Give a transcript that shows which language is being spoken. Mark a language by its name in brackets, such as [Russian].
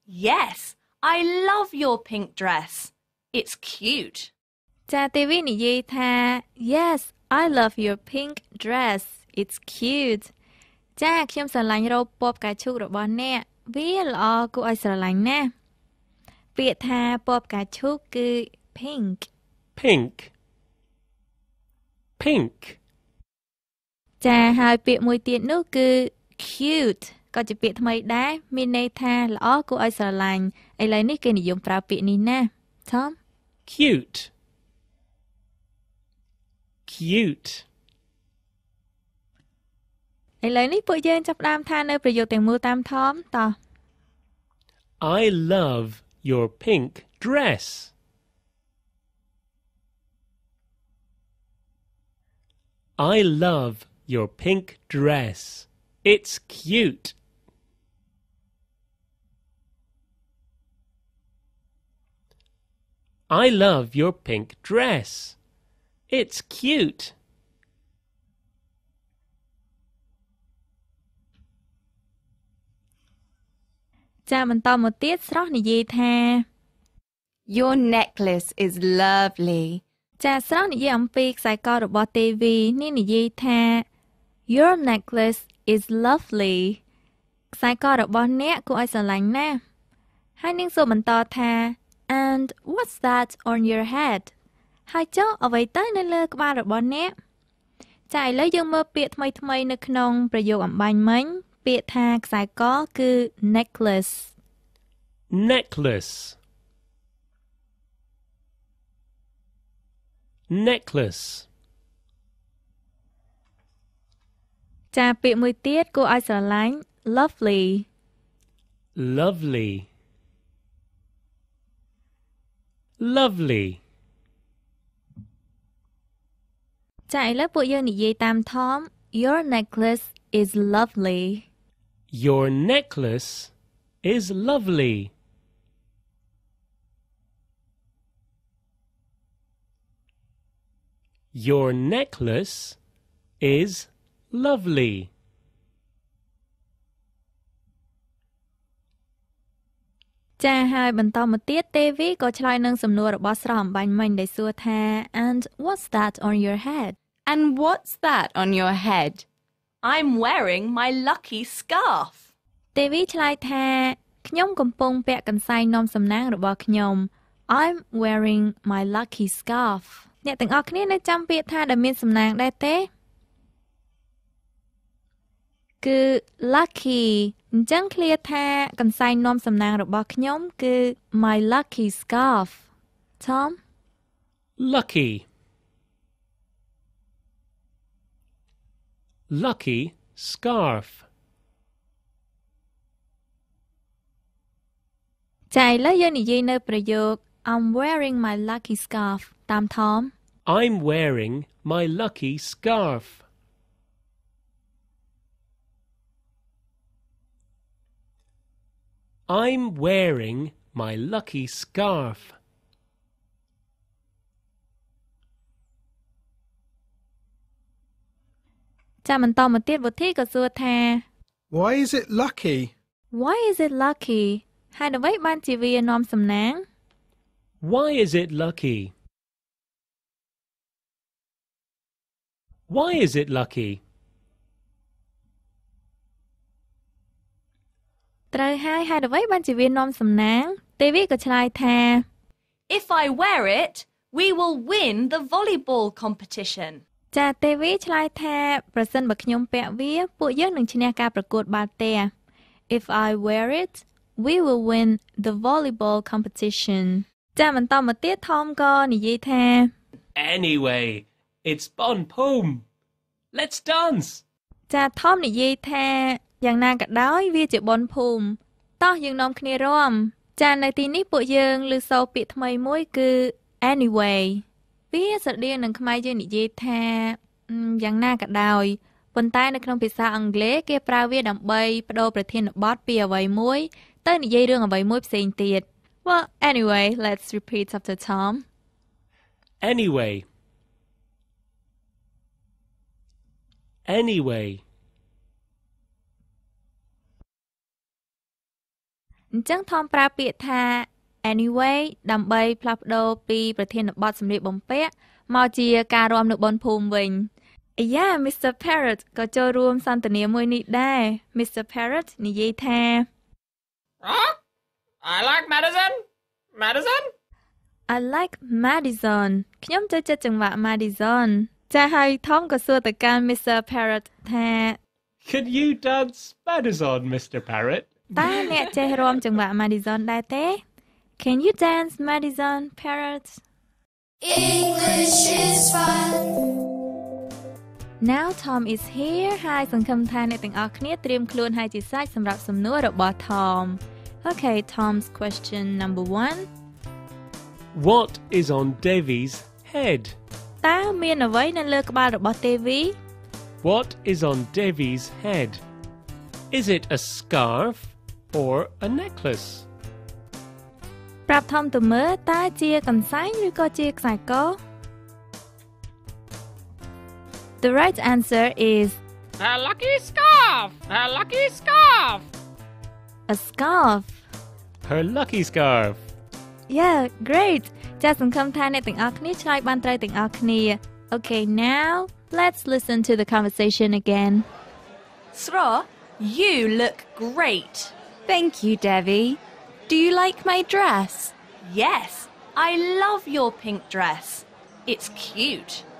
[English] Yes, I love your pink dress. It's cute. [Khmer] ចាទេវីនិយាយថា [English] Yes, I love your pink dress. It's cute. [Khmer] ចាខ្ញុំស្រឡាញ់រ៉ូបពណ៌ផ្កាឈូករបស់អ្នក វាល្អគួរឲ្យស្រឡាញ់ណាស់ពាក្យថាពណ៌ផ្កាឈូកគឺ pink [English] pink pink [Khmer] ចាហើយពាក្យមួយទៀតនោះគឺ cute ក៏ជាពាក្យថ្មីដែរមានន័យថាល្អគួរឲ្យស្រឡាញ់ឥឡូវនេះគេនិយមប្រើពាក្យនេះណាស់ Tom [English] cute cute [Khmer] ឥឡូវនេះពួកយើងចាប់ផ្ដើមថានៅប្រយោគទាំងមូលតាម Tom តោះ [English] I love your pink dress I love your pink dress It's cute I love your pink dress It's cute [Khmer] ចាំបន្តមកទៀតស្រស់និយាយថា [English] Your necklace is lovely [Khmer] ចាស្រស់និយាយអំពីខ្សែករបស់ TV នេះនិយាយថា [English] Your necklace is lovely [Khmer] ខ្សែករបស់អ្នកគួរឲ្យស្រឡាញ់ណាស់ហើយនាងសួរបន្តថា [English] And what's that on your head [Khmer] ហើយចុះអ្វីទៅនៅលើក្បាលរបស់អ្នកចាឥឡូវយើងមើលពាក្យថ្មីថ្មីនៅក្នុងប្រយោគអំបញ្ញមិញពាក្យថាខ្សែកគឺ necklace [English] necklace necklace [Khmer] ចាពាក្យមួយទៀតគួរឲ្យស្រឡាញ់ lovely [English] lovely lovely [Khmer] ចាឥឡូវពួកយើងនិយាយតាម Tom [English] your necklace is lovely Your necklace is lovely. Your necklace is lovely. [Khmer] ចា៎ហើយបន្តមកទៀតទេវីក៏ឆ្លើយនឹងសំណួររបស់ស្រស់អំបញ្ញមិញដែលសួរថា [English] And what's that on your head? And what's that on your head? I'm wearing my lucky scarf. [Khmer] Devi ឆ្លើយថាខ្ញុំកំពុងពាក់កន្សែងនាំសំណាងរបស់ខ្ញុំ. [English] I'm wearing my lucky scarf. [Khmer] អ្នកទាំងអស់គ្នានៅចាំពាក្យថាដែលមានសំណាងដែរទេ? គឺ lucky. អញ្ចឹងឃ្លាថាកន្សែងនាំសំណាងរបស់ខ្ញុំគឺ [English] my lucky scarf. [Khmer] Tom? [English] Lucky. Lucky scarf. [Khmer] ចៃឡូវយើងនិយាយនៅប្រយោគ [English] I'm wearing my lucky scarf [Khmer] តាម Tom. [English] I'm wearing my lucky scarf. I'm wearing my lucky scarf. [Khmer] ចាំបន្តមកទៀតវុធីក៏សួរថា [English] Why is it lucky? Why is it lucky? [Khmer] ហើយអ្វីបានជាវានាំសំណាង? [English] Why is it lucky? Why is it lucky? [Khmer] ត្រូវហើយហើយអ្វីបានជាវានាំសំណាង? ទេវីក៏ឆ្លើយថា [English] If I wear it, we will win the volleyball competition. [Khmer] ចាទេវីឆ្លើយថាប្រសិនបើខ្ញុំពាក់វាពួកយើងនឹងឈ្នះការប្រកួតបាល់ទះ [English] If I wear it we will win the volleyball competition [Khmer] ចាំបន្តមកទៀតថមក៏និយាយថា [English] Anyway it's bon pom Let's dance [Khmer] ចាថមនិយាយថាយ៉ាងណាក៏ដោយវាជាបនភូមិតោះយើងនាំគ្នារួមចានៅទីនេះពួកយើងលើកសូរពាក្យថ្មីមួយគឺ Anywayវាស្រដៀងនឹងខ្មែរយើងនិយាយថាយ៉ាងណាក៏ដោយប៉ុន្តែនៅក្នុងភាសាអង់គ្លេសគេប្រើវាដើម្បីបដូរប្រធានបទពីអ្វីមួយទៅនិយាយរឿងអ្វីមួយផ្សេងទៀត [English] Well, anyway, let's repeat after Tom. Anyway. Anyway. [Khmer] អញ្ចឹង Tom ប្រើពាក្យថា Anyway, ដើម្បីផ្លាស់ប្ដូរពីប្រធានបទសម្លៀកបំពាក់មកជាការរួមនៅបនភូមិវិញ Yeah, Mr. Parrot ក៏ចូលរួមសន្ទនាមួយនេះដែរ Mr. Parrot និយាយថា [English] I like Madison. Madison? I like Madison. [Khmer] ខ្ញុំចូលចិត្តចង្វាក់ Madison. ចាហើយ Tom ក៏សួរទៅកាន Mr. Parrot ថា [English] Could you dance Madison, Mr. Parrot? [Khmer] តើអ្នកចេះរាំចង្វាក់ Madison ដែរទេ? [English] Can you dance Madison, Parrot? English is fun. Now Tom is here. [Khmer] Hi, សង្ឃឹមថាអ្នកទាំងអស់គ្នាត្រៀមខ្លួនហើយជាស្រេចសម្រាប់សំណួររបស់ Tom. [English] Okay, Tom's question number 1. What is on Davy's head? [Khmer] តើមានអ្វីនៅលើក្បាលរបស់ Davy? [English] What is on Davy's head? Is it a scarf or a necklace? [Khmer] ប្រាប់ Tom ទៅមើលតើជាកន្សែងឬក៏ជាខ្សែក? [English] The right answer is a lucky scarf. A lucky scarf. A scarf. Her lucky scarf. Yeah, great. [Khmer] ចាសសង្ឃឹមថាអ្នកទាំងអស់គ្នាឆ្លើយបានត្រូវទាំងអស់គ្នា. [English] Okay, now let's listen to the conversation again. Sro, you look great. Thank you, Devi. Do you like my dress? Yes, I love your pink dress. It's cute.